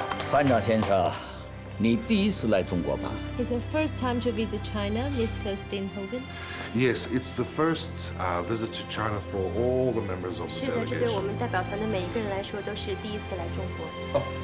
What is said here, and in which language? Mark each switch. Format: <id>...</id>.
<zh>班长先生，你第一次来中国吧</zh> <en>？It's your first time to visit China, Mr. Steenhoven. Yes, it's the first visit to China for all the members of the delegation.</en> <zh>是的，这对我们代表团的每一个人来说都是第一次来中国。</zh>